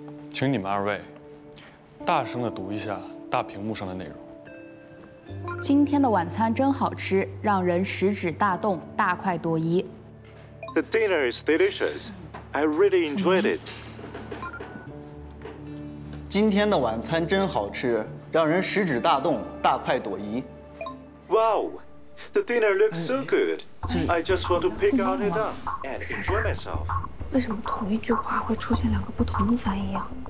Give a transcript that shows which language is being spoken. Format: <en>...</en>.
<zh>请你们二位大声地读一下大屏幕上的内容。今天的晚餐真好吃，让人食指大动，大快朵颐。</zh> <en>The dinner is delicious. I really enjoyed it.</en> <zh>今天的晚餐真好吃，让人食指大动，大快朵颐。</zh> <en>Wow, the dinner looks so good. I just want to pick out it up and enjoy myself.</en> <zh>为什么同一句话会出现两个不同的反应？</zh>